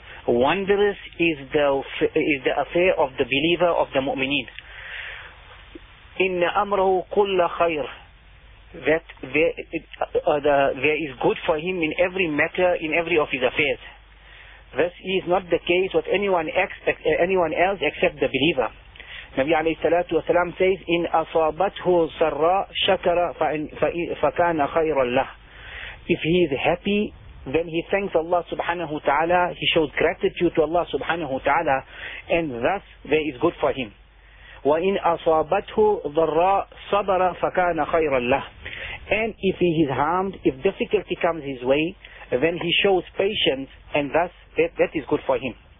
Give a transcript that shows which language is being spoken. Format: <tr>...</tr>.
<en>Wondrous is the affair of the believer, of the mu'mineen.</en> <ar>إِنَّ أَمْرَهُ كُلَّ خَيْرٍ.</ar> <en>That there is good for him in every matter, in every of his affairs. This is not the case with anyone else except the believer. Nabi alayhi salatu wa salam says,</en> <ar>إِنْ أَصَابَتْهُ سَرَّا شَكَرَ فَكَانَ خَيْرًا لَهُ.</ar> <en>If he is happy, then he thanks Allah subhanahu wa ta'ala, he shows gratitude to Allah subhanahu wa ta'ala, and thus there is good for him.</en> <ar>وَإِنْ أَصَابَتْهُ ضَرَّا صَبَرَ فَكَانَ خَيْرًا لَهُ.</ar> <en>And if he is harmed, if difficulty comes his way, then he shows patience, and thus that is good for him.</en>